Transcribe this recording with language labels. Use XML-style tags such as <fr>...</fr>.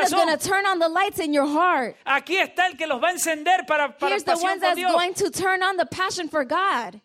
<en>Here's the one that's going to turn on the lights in your heart.</en> <es>Aquí está el que los va a encender para pasión por Dios.</es> <en>Here's the one that's going to turn on the passion for God.</en>